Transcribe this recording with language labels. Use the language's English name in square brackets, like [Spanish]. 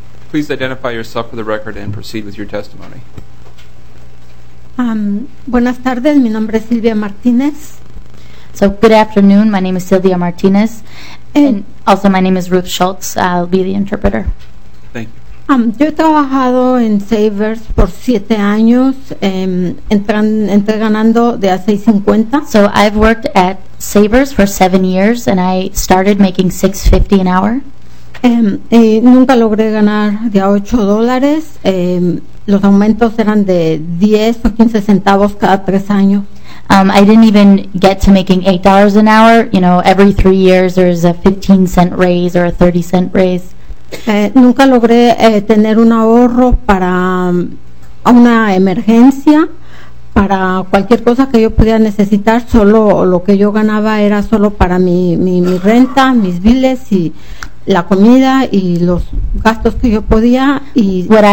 [English] Please identify yourself for the record and proceed with your testimony. [Spanish] Buenas tardes, mi nombre es Silvia Martinez. [English] So, good afternoon, my name is Silvia Martinez, and also my name is Ruth Schultz, I'll be the interpreter. Thank you. [Spanish] Yo he trabajado en Savers por 7 años, entré ganando de a 6.50. [English] So, I've worked at Savers for 7 years, and I started making $6.50 an hour. [Spanish] Nunca logré ganar de a $8. Los aumentos eran de 10 o 15 centavos cada 3 años. [English] I didn't even get to making $8 an hour. You know, every 3 years there's a 15 cent raise or a 30 cent raise. [Spanish] Nunca logré tener un ahorro para una emergencia, para cualquier cosa que yo pudiera necesitar. Solo lo que yo ganaba era solo para mi renta, mis biles y la comida y los gastos que yo podía y